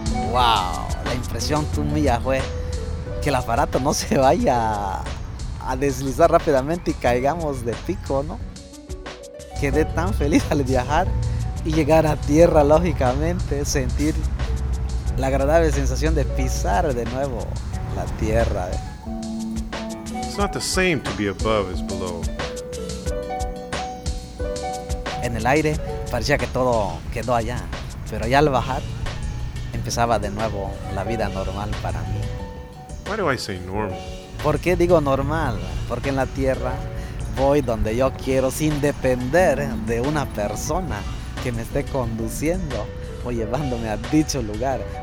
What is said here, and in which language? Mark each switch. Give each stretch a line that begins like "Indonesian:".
Spanish: ¡Wow! La impresión tuya fue que el aparato no se vaya a deslizar rápidamente y caigamos de pico, ¿no? Quedé tan feliz al viajar y llegar a tierra, lógicamente, sentir la agradable sensación de pisar de nuevo la tierra.
English: It's not the same to be above as below.
Spanish: en el aire, parecía que todo quedó allá. Pero ya al bajar, empezaba de nuevo la vida normal para mí.
English: Why do I say normal?
Spanish: ¿Por qué digo normal? Porque en la tierra voy donde yo quiero sin depender de una persona que me esté conduciendo o llevándome a dicho lugar.